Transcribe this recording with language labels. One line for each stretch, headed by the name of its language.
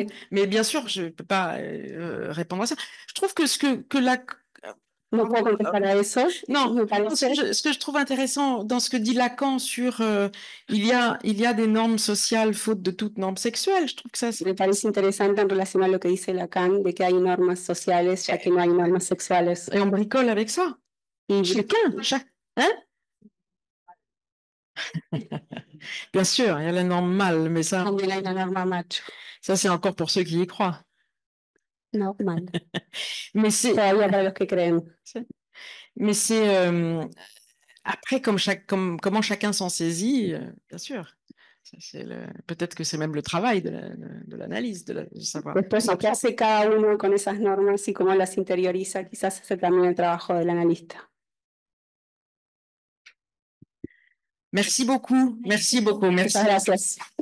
French: Mais bien sûr, je ne peux pas répondre à ça. Je trouve que ce que la... Non, ce que je trouve intéressant dans ce que dit Lacan sur il y a des normes sociales faute de toute norme sexuelle, je trouve que ça c'est...
Spanish: Me parece interesante en relación a lo que dice Lacan de que hay normas sociales ya que no hay normas sexuales.
French: Et on bricole avec ça. Chacun, hein? Bien sûr, il y a la norme mâle, mais ça. Il y a la norme macho. Ça c'est encore pour ceux qui y croient. Normal. Mais c'est pour ceux qui croient. Mais c'est après comment chacun s'en saisit, bien sûr. Ça, c'est le... Peut-être que c'est même le travail de l'analyse, de savoir.
Spanish: Después, ¿qué hace cada uno con esas normas y cómo las interioriza? Quizás ese también el trabajo del analista.
French: Merci beaucoup. Merci beaucoup. Merci.
Spanish: Gracias.